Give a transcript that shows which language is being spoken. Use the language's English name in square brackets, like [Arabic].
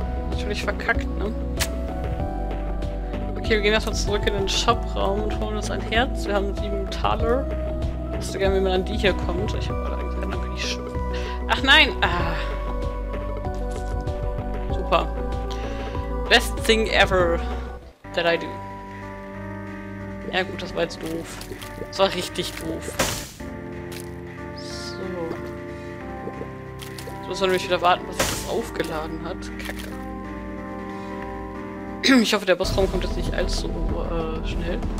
[German] Natürlich verkackt, ne? Okay, wir gehen erstmal zurück in den Shopraum und holen uns ein Herz. Wir haben 7 Taler. Ich wüsste gerne, wie man an die hier kommt. Ich habe gerade gesagt, dann bin ich schön. Ach nein! Ah. Super. [English] Best thing ever that I do. [German] Ja gut, das war jetzt doof. Das war richtig doof. Jetzt muss man nämlich wieder warten, bis das aufgeladen hat. Kacke. Ich hoffe, der Bossraum kommt jetzt nicht allzu schnell.